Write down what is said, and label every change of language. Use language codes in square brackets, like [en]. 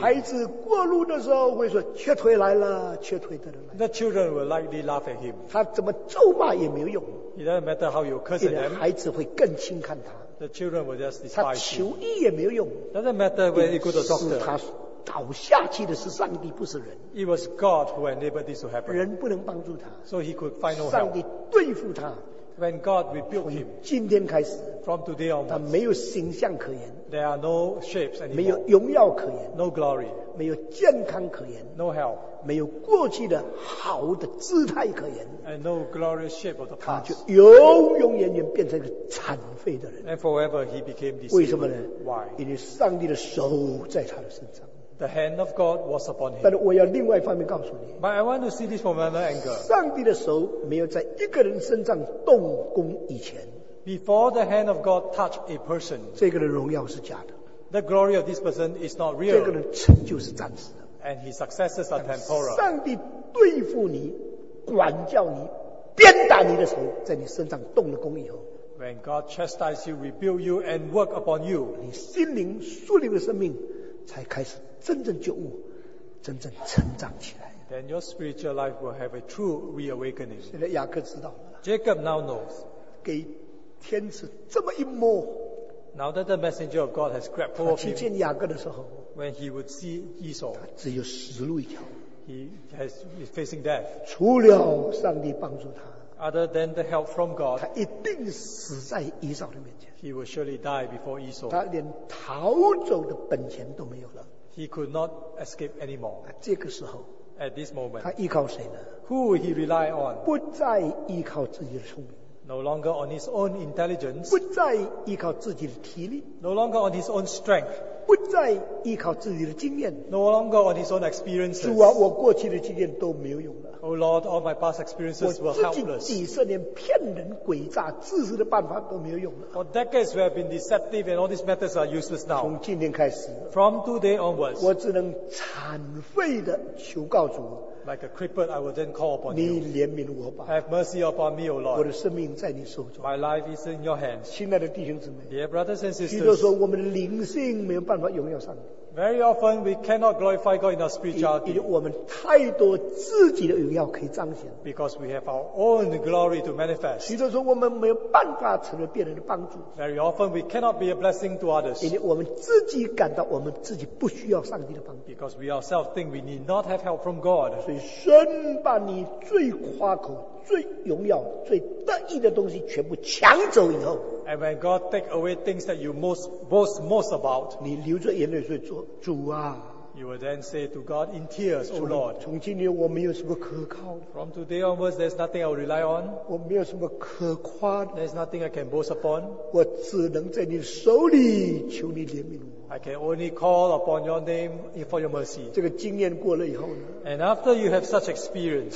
[zh] 孩子过路的时候会说瘸腿来了瘸腿的人来 [en] the children will likely laugh at him. [zh] 他怎么咒骂也没有用 [en] it doesn't matter how you curse them. [zh] 孩子会更轻看他 [en] the children will just despise him. [zh] 他求医也没有用 [en] it doesn't matter whether you go to the doctor. [zh] 倒下去的是上帝，不是人。 [en] It was God who enabled this to happen. [zh] 人不能帮助他。 [en] So he could find no help. [zh] 上帝对付他。 [en] When God rebuked him. [zh] 今天开始。 [en] From today onwards. [zh] 他没有形象可言。 [en] There are no shapes anymore. [zh] 没有荣耀可言。 [en] No glory. [zh] 没有健康可言。 [en] No health. [zh] 没有过去的好的姿态可言。 [en] And no glorious shape of the past. [zh] 他就永永远远变成一个残废的人。 [en] And forever he became this. [zh] 为什么呢？ [en] Why? [zh] 因为上帝的手在他的身上。 [en] The hand of God was upon him. [zh] 但是我要另外一方面告诉你。 [en] But I want to see this from another angle. [zh] 上帝的手没有在一个人身上动工以前。 [en] Before the hand of God touched a person. [zh] 这个人荣耀是假的。 [en] The glory of this person is not real. [zh] 这个人成就是暂时的。 [en] And his successes are temporal. [zh] 上帝对付你、管教你、鞭打你的时候，在你身上动了工以后 [en] ，When God chastises you, rebuild you, and work upon you， [zh] 你心灵树立的生命才开始真正觉悟、真正成长起来。 [en] Then your spiritual life will have a true reawakening。 [zh] 现在雅各知道了。 [en] Jacob now knows。 [zh] 给天使这么一摸。 [en] Now that the messenger of God has grabbed hold of him。 [zh] 他去见雅各的时候。 [en] When he would see Esau。 [zh] 他只有死路一条。 [en] He has is facing death。 [zh] 除了上帝帮助他。 [en] Other than the help from God。 [zh] 他一定死在以扫的面前。 [en] He will surely die before Esau。 [zh] 他连逃走的本钱都没有了。 [en] He could not escape anymore。 [zh] 这个时候。 [en] At this moment, [zh] 他依靠谁呢？ [en] Who will he rely on? [zh] 不再依靠自己的聪明。 [en] No longer on his own intelligence. [zh] 不再依靠自己的体力。 [en] No longer on his own strength. [zh] 不再依靠自己的经验。 [en] No longer on his own experiences. [zh] 主啊，我过去的经验都没有用了。 [en] Oh Lord, all my past experiences were helpless. [zh] 我自己几十年骗人诡诈自私的办法都没有用了。 [en] For decades we have been deceptive and all these methods are useless now. [zh] 从今天开始。 [en] From today onwards. [zh] 我只能惭愧地求告主。 [en] Like a crippled, I will then call upon you. [zh] 你怜悯我吧。 [en] Have mercy upon me, O Lord. [zh] 我的生命在你手中。 [en] My life is in your hands. [zh] 亲爱的弟兄姊妹。 [en] Dear brothers and sisters. [zh] 许多说我们的灵性没有办法荣耀上帝。 [en] Very often we cannot glorify God in our spirituality. [zh] 因为我们太多自己的荣耀可以彰显。 [en] Because we have our own glory to manifest. [zh] 许多说我们没有办法成为别人的帮助。 [en] Very often we cannot be a blessing to others. [zh] 因为我们自己感到我们自己不需要上帝的帮助。 [en] Because we ourselves think we need not have help from God. [zh] 所以神把你最夸口、最荣耀、最得意的东西全部抢走以后。 [en] And when God takes away things that you boast most about, [zh] 你流着眼泪说主啊。 [en] You will then say to God in tears, O Lord, [zh] 从今天我没有什么可靠的。 [en] From today onwards, there's nothing I will rely on. [zh] 我没有什么可夸的。 [en] There's nothing I can boast upon. [zh] 我只能在你手里求你怜悯我。 [en] I can only call upon your name for your mercy. [zh] 这个经验过了以后呢。 [en] And after you have such experience,